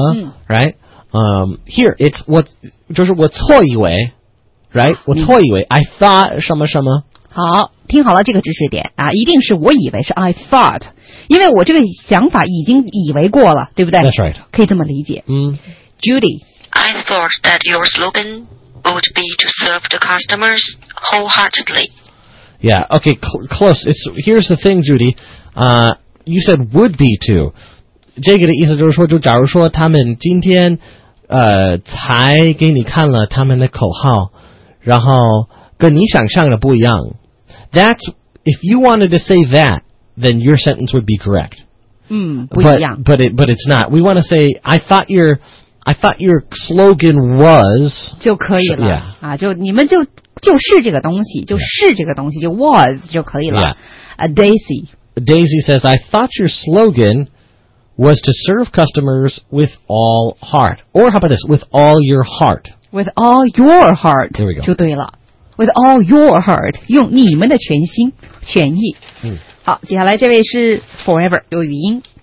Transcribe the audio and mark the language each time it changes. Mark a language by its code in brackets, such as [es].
[en] 嗯、 right here it's [zh] 我就是我错以为 right、啊、我错以为、嗯、 [en] I thought [zh] 什么什么好听好了这个知识点啊，一定是我以为是 [en] I thought [zh] 因为我这个想法已经以为过了对不对 [en] that's right [zh] 可以这么理解嗯 [en] Judy I thought that your slogan would be to serve the customers wholeheartedly. Yeah, okay, close. It's, here's the thing, Judy. You said would be to. [zh] 这个的意思就是说，就假如说他们今天才给你看了他们的口号，然后跟你想象的不一样。 [en] That's, if you wanted to say that, then your sentence would be correct. [zh] 嗯，不一样。 [en] But it's not. We want to say, I thought your slogan was [zh] 就可以了、 [en] yeah. [zh] 啊，就你们就是这个东西，就是这个东西，就 was 就可以了。 [en] Yeah. Daisy. Daisy says, "I thought your slogan was to serve customers with all heart." Or how about this? With all your heart. With all your heart. There we go. [zh] 就对了。 [en] With all your heart, [zh] 用你们的全心全意。嗯、 mm.。 好，接下来这位是 Forever 有语音。